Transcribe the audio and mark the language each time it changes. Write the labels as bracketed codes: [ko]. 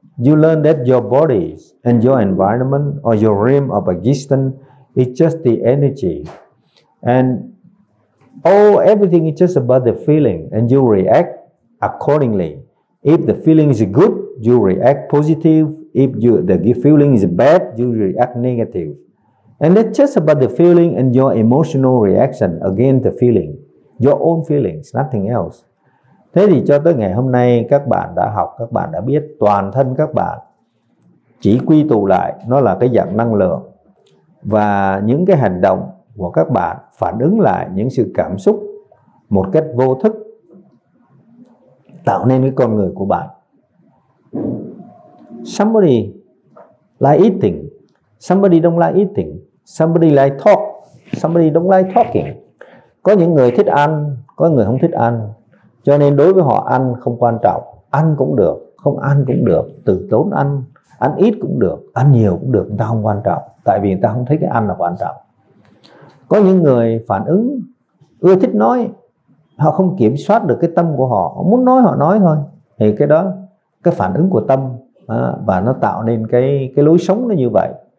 [en] You learn that your body and your environment or your realm of existence is just the energy, and everything is just about the feeling, and you react accordingly. If the feeling is good, you react positive. If the feeling is bad, you react negative. And it's just about the feeling and your emotional reaction against the feeling. Your own feelings, nothing else. [vi] Thế thì cho tới ngày hôm nay các bạn đã học, các bạn đã biết toàn thân các bạn chỉ quy tụ lại, nó là cái dạng năng lượng. Và những cái hành động của các bạn phản ứng lại những sự cảm xúc một cách vô thức tạo nên cái con người của bạn. [en] Somebody like eating. Somebody don't like eating. Somebody like talk. Somebody don't like talking. [vi] Có những người thích ăn, có người không thích ăn. Cho nên đối với họ ăn không quan trọng, ăn cũng được, không ăn cũng được, từ tốn ăn, ăn ít cũng được, ăn nhiều cũng được, người ta không quan trọng, tại vì người ta không thấy cái ăn là quan trọng. Có những người phản ứng ưa thích nói, họ không kiểm soát được cái tâm của họ, họ muốn nói họ nói thôi, thì cái đó cái phản ứng của tâm à, và nó tạo nên cái lối sống nó như vậy.